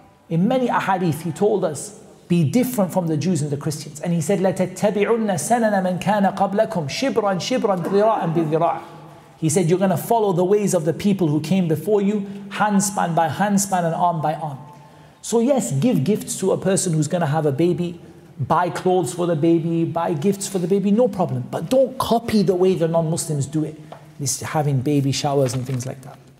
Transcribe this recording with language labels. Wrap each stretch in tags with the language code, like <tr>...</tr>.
<en>In many ahadith, he told us, be different from the Jews and the Christians. And he said,</en> <ar>لَتَتَّبِعُنَّ سَنَنَ مَنْ كَانَ قَبْلَكُمْ شِبْرًا شِبْرًا ذِرَاءً بِذِرَاءً.</ar> <en>He said, you're going to follow the ways of the people who came before you, handspan by handspan and arm by arm. So yes, give gifts to a person who's going to have a baby, buy clothes for the baby, buy gifts for the baby, no problem. But don't copy the way the non-Muslims do it. This having baby showers and things like that.</en>